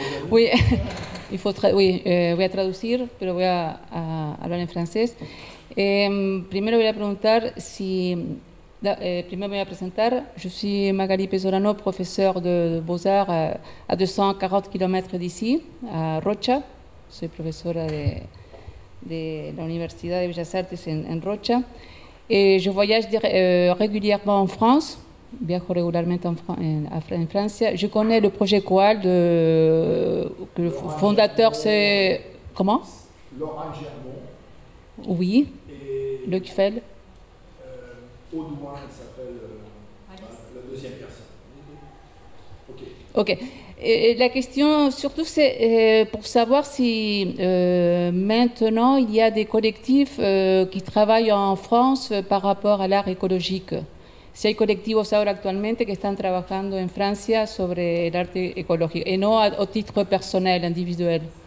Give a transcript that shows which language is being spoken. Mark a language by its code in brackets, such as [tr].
[fr] Oui, il faut [es] voy a traducir, pero voy a hablar en francés. Primero voy a preguntar si. Primero voy a presentar. [fr] Je suis Magali Pesorano, professeur de Beaux-Arts à 240 km d'ici, à Rocha. [es] Soy profesora de la Universidad de Bellas Artes en Rocha. [fr] Et je voyage régulièrement en France. [es] Viajo regularmente en Francia. [fr] Je connais le projet COAL, que le fondateur c'est. Comment? Laurent Germont. Oui. Et Le Kiffel. Audouin, elle s'appelle la deuxième personne. Ok. Ok. Et la question, surtout, c'est pour savoir si maintenant il y a des collectifs qui travaillent en France par rapport à l'art écologique. [es] Si hay colectivos ahora actualmente que están trabajando en Francia sobre el arte ecológico y no a título personal, individual.